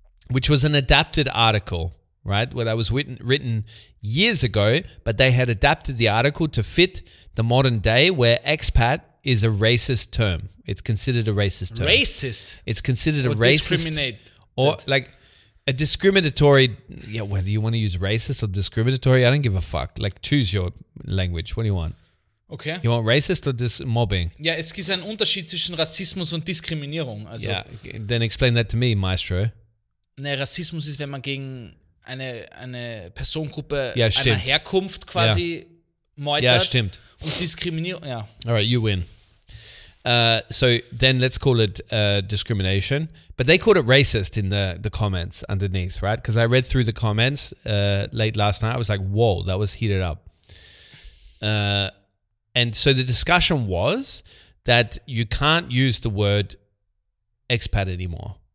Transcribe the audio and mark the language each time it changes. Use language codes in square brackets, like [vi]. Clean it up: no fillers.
[en] which was an adapted article, right? Well, that was written years ago, but they had adapted the article to fit the modern day, where expat is a racist term. It's considered a racist term. Racist. It's considered or a racist. Discriminate. Or like. A discriminatory, yeah, whether you want to use racist or discriminatory, I don't give a fuck. Like, choose your language. What do you want? Okay. You want racist or mobbing? [de] Ja, es gibt einen Unterschied zwischen Rassismus und Diskriminierung. Also, [en] yeah, then explain that to me, Maestro. [de] Ne, Rassismus ist, wenn man gegen eine Personengruppe ja, einer Herkunft quasi ja, meutert. Ja, stimmt. Und Diskriminierung, ja. [en] All right, you win. So then let's call it discrimination. But they called it racist in the comments underneath, right? Because I read through the comments late last night. I was like, whoa, that was heated up. And so the discussion was that you can't use the word expat anymore.